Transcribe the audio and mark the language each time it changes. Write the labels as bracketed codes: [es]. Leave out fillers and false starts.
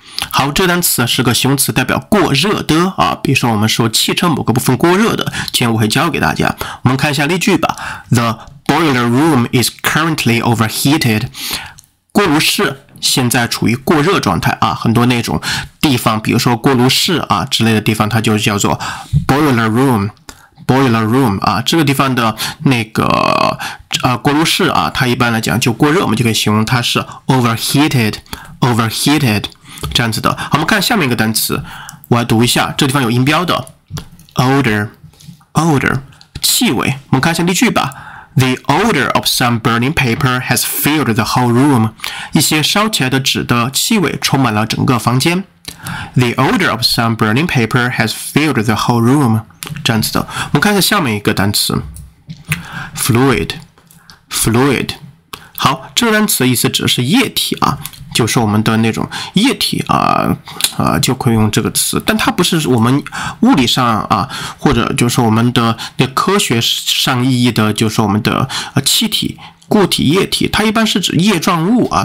[zh] 好，这单词是个形容词，代表过热的啊。比如说我们说汽车某个部分过热的，今天我会教给大家。我们看一下例句吧。 [en] The boiler room is currently overheated. [zh] 锅炉室现在处于过热状态啊，很多那种地方，比如说锅炉室啊之类的地方，它就叫做 boiler room 啊，这个地方的那个锅炉室啊，它一般来讲就过热，我们就可以形容它是 overheated 这样子的。好，我们看下面一个单词，我来读一下，这地方有音标的 odor 气味。我们看一下例句吧。 [en] The odor of some burning paper has filled the whole room. [zh] 一些烧起来的纸的气味充满了整个房间。 [en] The odor of some burning paper has filled the whole room. [zh] 这样子的。我们看一下下面一个单词。 [en] Fluid. [zh] 好，这个单词意思指的是液体啊。就是我们的那种液体啊，就可以用这个词，但它不是我们物理上啊，或者就是我们的那科学上意义的，就是我们的气体、固体、液体，它一般是指液状物啊。